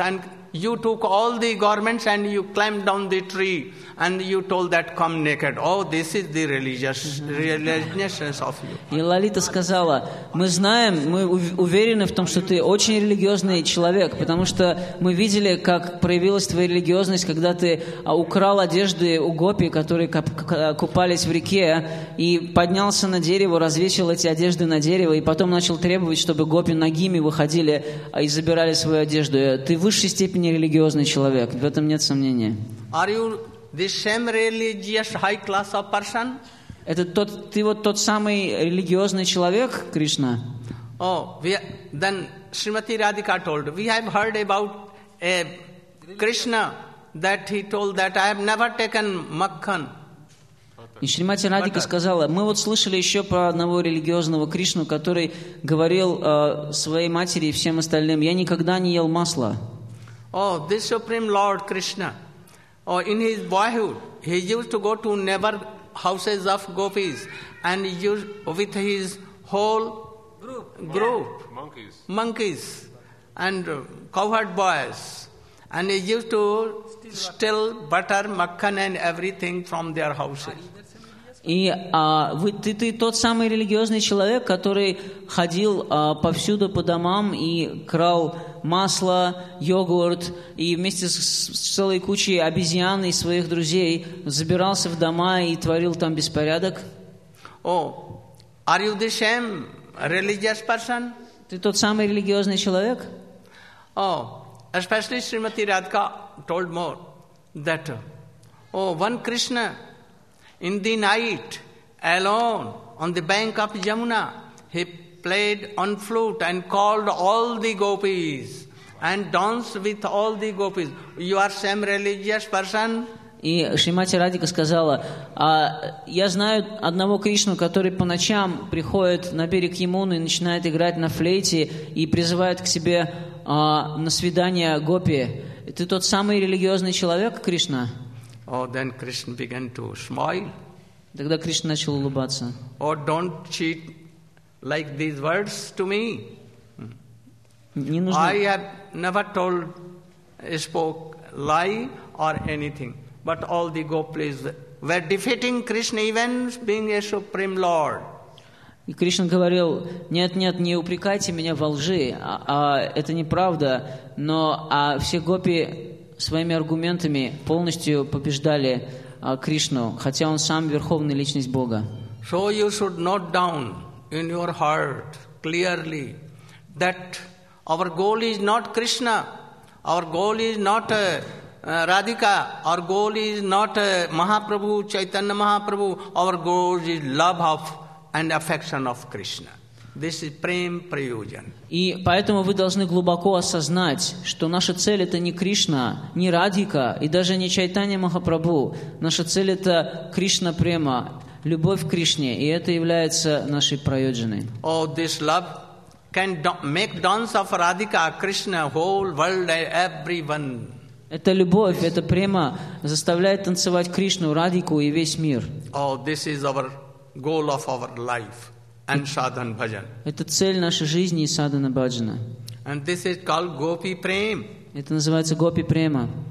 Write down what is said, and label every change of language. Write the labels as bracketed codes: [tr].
[en] And you took all the garments and you climbed down the tree and you told that, come naked. Oh, this is the religiousness of you. [ru] И Лалита сказала, мы знаем, мы уверены в том, что ты очень религиозный человек, потому что мы видели, как проявилась твоя религиозность, когда ты украл одежды у гопи, которые купались в реке, и поднялся на дерево, развесил эти одежды на дерево, и потом начал требовать, чтобы гопи нагими выходили и забирали свою одежду. Ты в высшей степени религиозный человек, в этом нет сомнения. [en] Are you the same religious high class of person? [ru] Это тот, ты вот тот самый религиозный человек, Кришна? [en] Oh, then Srimati Radhika told, we have heard about a Krishna that he told that I have never taken makkhan. [ru] И Шримати Радика сказала, мы вот слышали еще про одного религиозного Кришну, который говорил своей матери и всем остальным, я никогда не ел масла. [en] Oh, this Supreme Lord Krishna, oh, in his boyhood, he used to go to never houses of gopis and use with his whole group monkeys and cowherd boys, and he used to steal butter, makkhan and everything from their houses. [ru] И ты тот самый религиозный человек, который ходил повсюду по домам и крал масло, йогурт, и вместе с целой кучей обезьян и своих друзей забирался в дома и творил там беспорядок? [en] О, oh, are you the same religious person? [ru] Ты тот самый религиозный человек? [en] О, oh, especially Srimati Radhika told more that, oh, one Krishna in the night alone on the bank of Jamuna, he played on flute and called all the gopis and danced with all the gopis. You are same religious person? [ru] И Шримати Радика сказала, я знаю одного Кришну, который по ночам приходит на берег Ямуны и начинает играть на флейте и призывает к себе на свидание гопи. Ты тот самый религиозный человек, Кришна? [en] Oh, then Krishna began to smile. [ru] Тогда Кришна начал улыбаться. [en] Oh, don't cheat like these words to me. [ru] Не нужно. [en] I have never told, spoke lie or anything. But all the gopis were defeating Krishna even being a supreme lord. [ru] И Кришна говорил, нет, нет, не упрекайте меня во лжи, это неправда, но все гопи своими аргументами полностью побеждали Кришну, хотя он сам верховный личность Бога. [en] So you should note down in your heart clearly that our goal is not Krishna, our goal is not Radhika, our goal is not Mahaprabhu, Chaitanya Mahaprabhu, our goal is love of and affection of Krishna. This is prem prayojan. [ru] И поэтому вы должны глубоко осознать, что наша цель это не Кришна, не Радхика и даже не Чайтанья Махапрабху. Наша цель это Кришна према, любовь к Кришне, и это является нашей прайоджаной. [en] Oh, this love can make dance of Radhika, Krishna, whole world, everyone. [ru] Эта любовь, эта према заставляет танцевать Кришну, Радхику и весь мир. [en] Oh, this is our goal of our life. and sadhan bhajan. [ru] Это цель нашей жизни и садхана бхаджана. [en] And this is called gopi prem. [ru] Это называется гопи према.